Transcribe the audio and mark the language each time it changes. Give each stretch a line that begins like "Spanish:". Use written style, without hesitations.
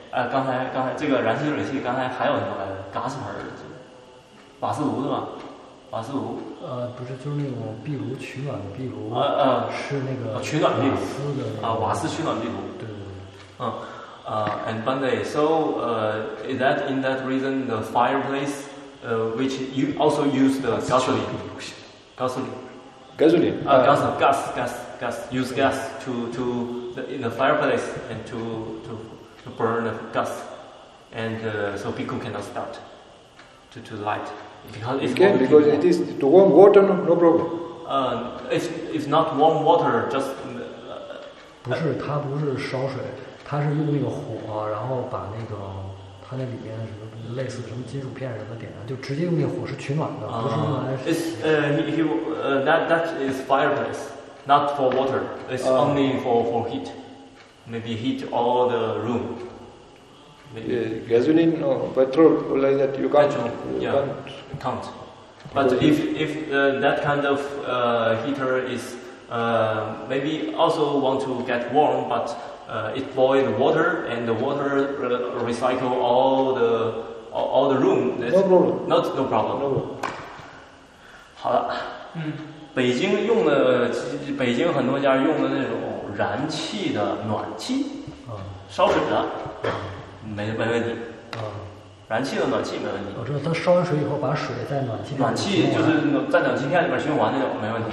Chinese: 刚才这个燃气热水器，刚才还有什么来着？嘎斯盆儿，瓦斯炉是吧？瓦斯炉。不是，就是那种壁炉取暖的壁炉。是那个取暖壁炉。瓦斯的。瓦斯取暖壁炉。对。
English: And Bandai, so is that in that reason the fireplace, which you also use the gasoline. Gas. Use gas to the, in the fireplace and to burn the gas, and so bhikkhu cannot start to light because it's warm. Because it is to warm water, no problem. It's not warm water, just. 不是，它不是烧水，它是用那个火，然后把那个它那里面什么类似什么金属片什么点燃，就直接用那个火是取暖的，不是用来。 That is fireplace. Not for water, it's only for heat. Maybe heat all the room. Gasoline or petrol, like that, you can't. Can't. But if that kind of heater is maybe also want to get warm, but it boils water and the water recycle all the room. No problem.
Chinese: 好了。北京很多家用的那种燃气的暖气，烧水的，没问题。燃气的暖气没问题。我知道，它烧完水以后，把水在暖气。暖气就是在暖气片里面循环那种，没问题。